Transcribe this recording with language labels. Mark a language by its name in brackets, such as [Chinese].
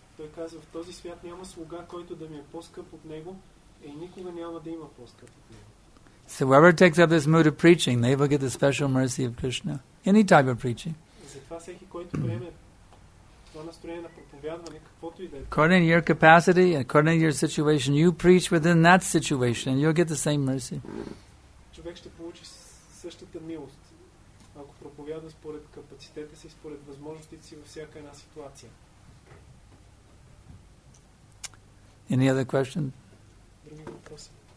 [Bulgarian] Той казва, в този свят няма слуга, който да ми е по-скъп от него и никога няма да има по-скъп от него. [English] So whoever takes up this mood of preaching, they will get the special mercy of Krishna. Any type of preaching. [Bulgarian] Затова всеки, който приеме това настроение на проповядване, каквото и да е. [English] According to your capacity, according to your situation, you preach within that situation and you'll get the same mercy. [Bulgarian] Човек ще получи същата милост. Ако проповядва според капацитета си, според възможностите си във всяка една ситуация. [English] Any other question? [Bulgarian] Други въпроси?